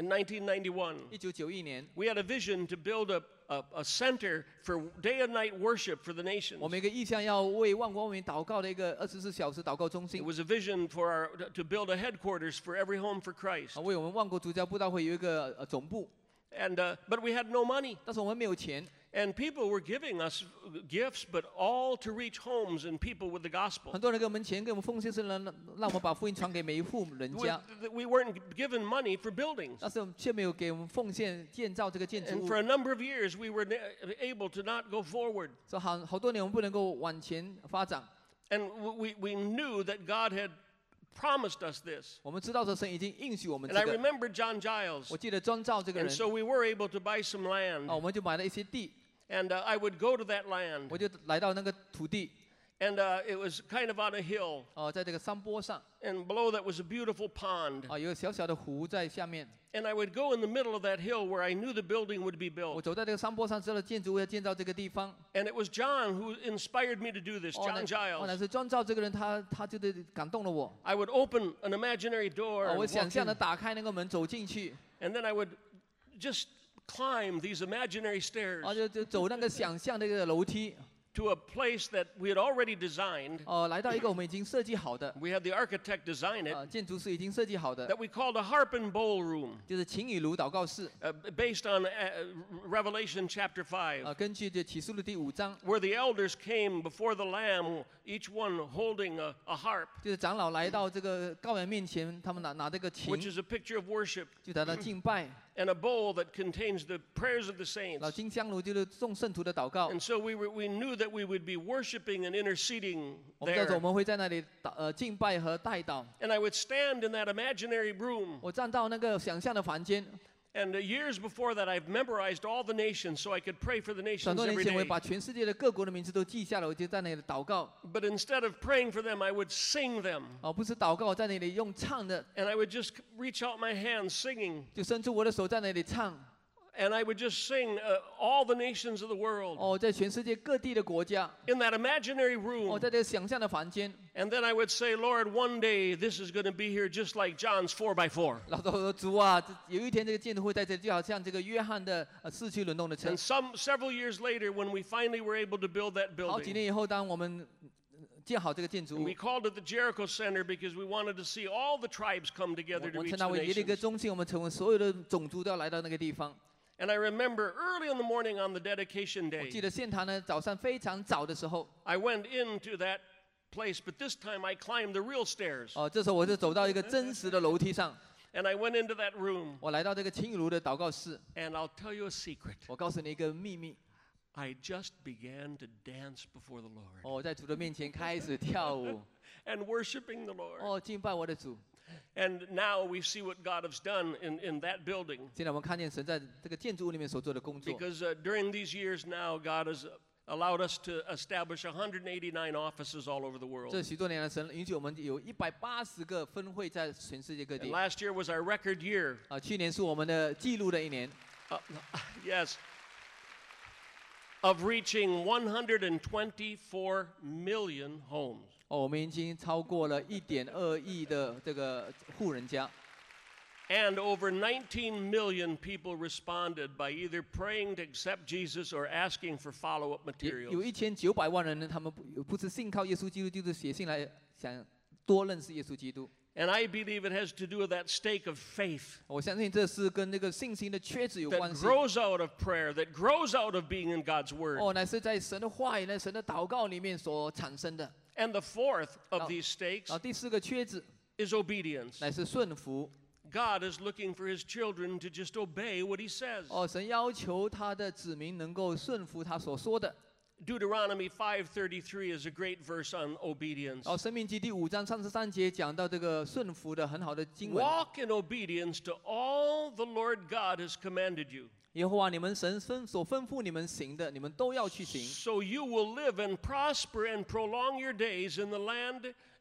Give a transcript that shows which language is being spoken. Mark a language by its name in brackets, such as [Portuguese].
[English] In 1991. [Chinese] 1991年。 [English] We had a vision to build a a center for day and night worship for the nations. [Chinese] 我们一个意向要为万国民祷告的一个二十四小时祷告中心。 [English] It was a vision for our to build a headquarters for every home for Christ. [Chinese] 为我们万国主教布道会有一个总部。 [English] And but we had no money. [Chinese] 但是我们没有钱。 [English] And people were giving us gifts, but all to reach homes and people with the gospel. [Chinese] 很多人给我们钱，给我们奉献，是让我们把福音传给每一户人家。 [English] We weren't given money for buildings. [Chinese] 但是却没有给我们奉献建造这个建筑物。 [English] And for a number of years, we were able to not go forward. [Chinese] 所以好多年我们不能够往前发展。 [English] And we knew that God had promised us this. [Chinese] 我们知道这神已经应许我们这 [English] 个。And I remember John Giles. [Chinese] 我记得庄兆这个人。 [English] And so we were able to buy some land. [Chinese] 我们就买了一些地。 [English] And I would go to that land. [Chinese] 我就来到那个土地。 [English] And it was kind of on a hill. [Chinese] 在这个山坡上。 [English] And below that was a beautiful pond. [Chinese] 有个小小的湖在下面。 [English] And I would go in the middle of that hill where I knew the building would be built. [Chinese] 我走在这个山坡上，知道建筑物要建造这个地方。 [English] And it was John who inspired me to do this, John Giles. [Chinese] 那是庄兆这个人，他就感动了我。 [English] I would open an imaginary door. [Chinese] 我想象的打开那个门走进去。 [English] And then I would just climb these imaginary stairs. [Chinese] 就走那个想象的一个楼梯。 [English] To a place that we had already designed. [Chinese] 来到一个我们已经设计好的。 [English] We had the architect design it. [Chinese] 建筑师已经设计好的。 [English] That we called a harp and bowl room. [Chinese] 就是琴与炉祷告室。 [English] Based on Revelation chapter 5. [Chinese] 根据这启示录第五章。 [English] Where the elders came before the Lamb, each one holding a harp. [Chinese] 就是长老来到这个羔羊面前，他们拿这个琴。 [English] Which is a picture of worship. [Chinese] 就达到敬拜。 [English] And a bowl that contains the prayers of the saints. [Chinese] 金香炉就是众圣徒的祷告。 [English] And so we knew that we would be worshiping and interceding there. [Chinese] 我们会在那里敬拜和代祷。 [English] And I would stand in that imaginary room. [Chinese] 我站到那个想象的房间。 [English] And years before that, I've memorized all the nations so I could pray for the nations every day. [Chinese] 很多年前，我把全世界的各国的名字都记下来，我就在那里祷告。 [English] But instead of praying for them, I would sing them. [Chinese] 不是祷告，在那里用唱的。 [English] And I would just reach out my hand singing. [Chinese] 就伸出我的手在那里唱。 [English] And I would just sing all the nations of the world. [Chinese] 在全世界各地的国家。 [English] In that imaginary room. [Chinese] 在这个想象的房间。 [English] And then I would say, Lord, one day this is going to be here just like John's 4x4. [Chinese] 老头说，主啊，有一天这个建筑会在这里，就好像这个约翰的四驱轮动的车。 [English] And several years later, when we finally were able to build that building. [Chinese] 好几年以后，当我们建好这个建筑物。 [English] We called it the Jericho Center because we wanted to see all the tribes come together to reach the nations. [Chinese] 我们称它为耶利哥中心，我们称为所有的种族都要来到那个地方。 [English] And I remember early in the morning on the dedication day. [Chinese] 我记得献坛呢，早上非常早的时候。 [English] I went into that place, but this time I climbed the real stairs. [Chinese] 这时候我就走到一个真实的楼梯上。 [English] And I went into that room. [Chinese] 我来到这个琴与炉的祷告室。 [English] And I'll tell you a secret. [Chinese] 我告诉你一个秘密。 [English] I just began to dance before the Lord. [Chinese] 在主的面前开始跳舞。 [English] And worshiping the Lord. [Chinese] 敬拜我的主。 [English] And now we see what God has done in that building. [Chinese] 现在我们看见神在这个建筑物里面所做的工作。 [English] Because during these years now, God has allowed us to establish 189 offices all over the world. [Chinese] 这许多年来，神允许我们有180个分会在全世界各地。 [English] And last year was our record year. [Chinese] 去年是我们的记录的一年。 [English] Yes. Of reaching 124 million homes. [Chinese] 我们已经超过了 1.2 亿的这个户人家。 [English] And over 19 million people responded by either praying to accept Jesus or asking for follow-up materials. [Chinese] 有1900万人呢，他们不是信靠耶稣基督，就是写信来想多认识耶稣基督。 [English] And I believe it has to do with that stake of faith. [Chinese] 我相信这是跟那个信心的缺子有关系。 [English] That grows out of prayer, that grows out of being in God's word. [Chinese] 乃是在神的话语、在神的祷告里面所产生的。 [English] And the fourth of these stakes is obedience. [Chinese] 乃是顺服。 [English] God is looking for His children to just obey what He says. [Chinese] 神要求他的子民能够顺服他所说的。 [English] Deuteronomy 5:33 is a great verse on obedience. [Chinese] 申命记第五章三十三节讲到这个顺服的很好的经文。 [English] Walk in obedience to all the Lord God has commanded you. [Chinese] 耶和华你们神所吩咐你们行的，你们都要去行。 [English] So you will live and prosper and prolong your days in the land